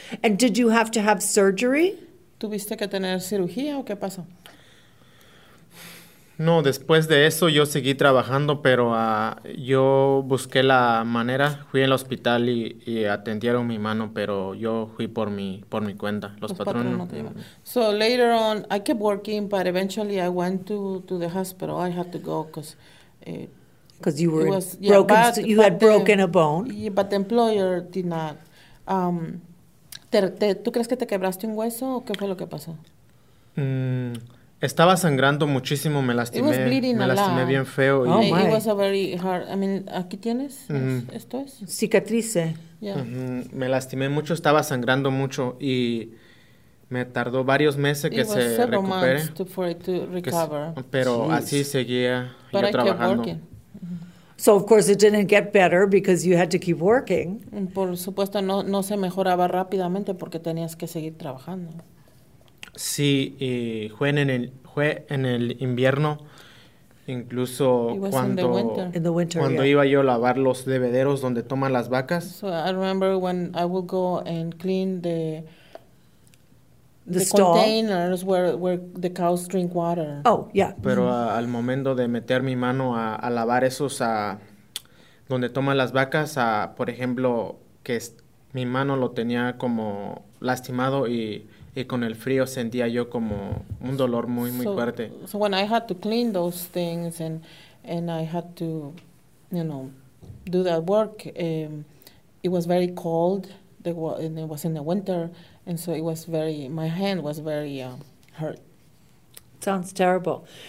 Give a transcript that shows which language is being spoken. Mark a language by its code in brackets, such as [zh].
[en] And did you have to have surgery? [es] ¿Tuviste que tener cirugía o qué pasó? No, después de eso yo seguí trabajando, pero yo busqué la manera, fui al hospital y atendieron mi mano, pero yo fui por mi cuenta. Los patrones no. [en] So later on, I kept working, but eventually I went to the hospital. I had to go because you had broken a bone. Yeah, but the employer did not. [es] ¿Tú crees que te quebraste un hueso o qué fue lo que pasó? Estaba sangrando muchísimo, me lastimé. [en] It was bleeding [es] me lastimé [en] a lot. [es] Bien feo. [en] Oh, my. It was a very hard. I mean, [es] ¿aquí tienes? [en] Mm-hmm. [es] ¿Esto es? Cicatrice. [en] Yeah. Mm-hmm. [es] Me lastimé mucho, estaba sangrando mucho y me tardó varios meses que se recupere. [en] It was several months for it to recover. [es] Pero jeez. Así seguía [en] but [es] yo [en] I [es] trabajando. [en] Kept working. So, of course, it didn't get better because you had to keep working. [es] Por supuesto, no se mejoraba rápidamente porque tenías que seguir trabajando. Sí, y fue en el invierno, incluso cuando iba yo a lavar los bebederos donde toman las vacas. [en] So I remember when I would go and clean the stall. Containers where the cows drink water. Oh, yeah. [es] Pero al momento de meter mi mano a lavar esos a donde toman las vacas, por ejemplo, que mi mano lo tenía como lastimado y con el frío sentía yo como un dolor muy, muy fuerte. [en] So when I had to clean those things and I had to, you know, do that work, it was very cold, and it was in the winter, and so it was very, my hand was very hurt. Sounds terrible.